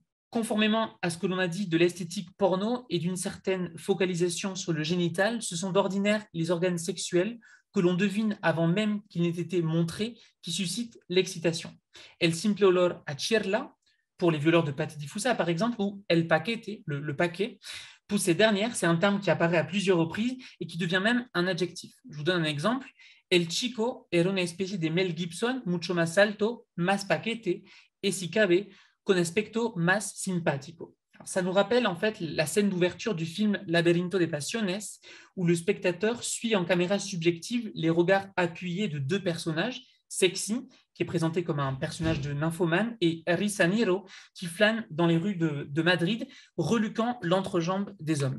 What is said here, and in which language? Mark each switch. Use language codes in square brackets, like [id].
[fr] Conformément à ce que l'on a dit de l'esthétique porno et d'une certaine focalisation sur le génital, ce sont d'ordinaire les organes sexuels que l'on devine avant même qu'il n'ait été montré, qui suscite l'excitation. [es] El simple olor a chirla, [fr] pour les violeurs de Patty Di Fusa, par exemple, ou [es] el paquete, [fr] le paquet, Pour ces dernières, c'est un terme qui apparaît à plusieurs reprises et qui devient même un adjectif. Je vous donne un exemple. [es] El chico era una especie de Mel Gibson, mucho más alto, más paquete, et si cabe, con aspecto más simpático. [fr] Ça nous rappelle en fait la scène d'ouverture du film Laberinto de Pasiones, où le spectateur suit en caméra subjective les regards appuyés de deux personnages, Sexy, qui est présenté comme un personnage de nymphomane, et Risaniro, qui flâne dans les rues de Madrid, reluquant l'entrejambe des hommes.